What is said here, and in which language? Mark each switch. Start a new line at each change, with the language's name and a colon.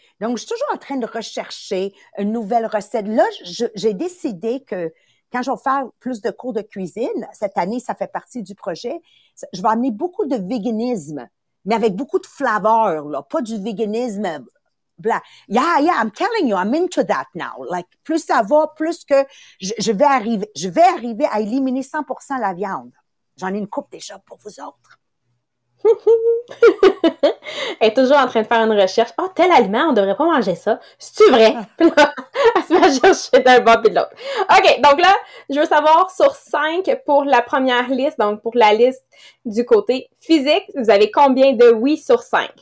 French: Donc, je suis toujours en train de rechercher une nouvelle recette. Là, j'ai décidé que quand je vais faire plus de cours de cuisine, cette année, ça fait partie du projet, je vais amener beaucoup de véganisme, mais avec beaucoup de flaveur, là, pas du véganisme blah.
English: Yeah, I'm telling you, I'm into that now.
French: Like, plus ça va, plus que je vais arriver à éliminer 100% la viande. J'en ai une coupe déjà pour vous autres. Elle est toujours en train de faire une recherche. Oh, tel aliment, on devrait pas manger ça. C'est-tu vrai? Elle se met à chercher d'un bord et de l'autre. OK, donc là, je veux savoir sur 5 pour la première liste, donc pour la liste du côté physique, vous avez combien de oui sur 5?